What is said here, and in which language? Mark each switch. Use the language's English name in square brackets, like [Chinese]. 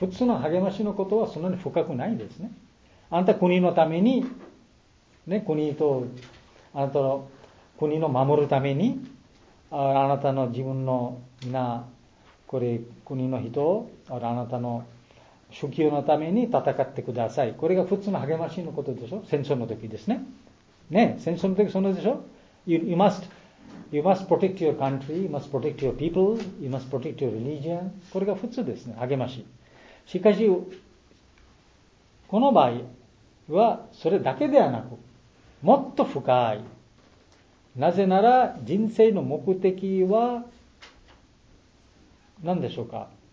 [Japanese] 普通の励ましのことはそんなに深くないですね。あなた国のためにね、国とあなたの国の守るために、あなたの自分のみんなこれ国の人、あなたの主教のために戦ってください。これが普通の励ましのことでしょ。戦争の時ですね、ね、戦争の時そのでしょ。 [English] you must protect your country, you must protect your people, you must protect your religion. [Japanese] これが普通ですね、励まし。しかしこの場合はそれだけではなく、もっと深い。なぜなら人生の目的は何でしょうか。